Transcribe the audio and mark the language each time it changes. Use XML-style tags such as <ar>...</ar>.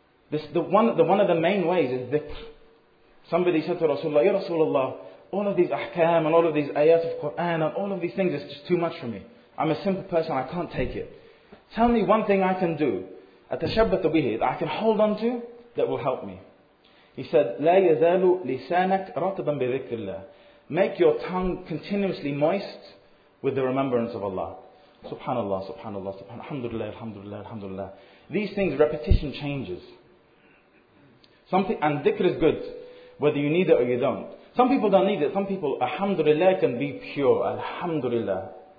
<en>One of the main ways is dhikr. Somebody said to Rasulullah, Ya Rasulullah, all of these ahkam and all of these ayat of Quran and all of these things is just too much for me. I'm a simple person, I can't take it. Tell me one thing I can do,</en> <ar>atashabbatu bihi,</ar> <en>that I can hold on to, that will help me. He said,</en> <ar>لا يزال لسانك رطبا بذكر الله.</ar> <en>Make your tongue continuously moist with the remembrance of Allah. Subhanallah, subhanallah, subhanallah, alhamdulillah, alhamdulillah, alhamdulillah. These things, repetition changes. And dhikr is good, whether you need it or you don't. Some people don't need it. Some people, alhamdulillah, can be pure. Alhamdulillah.</en>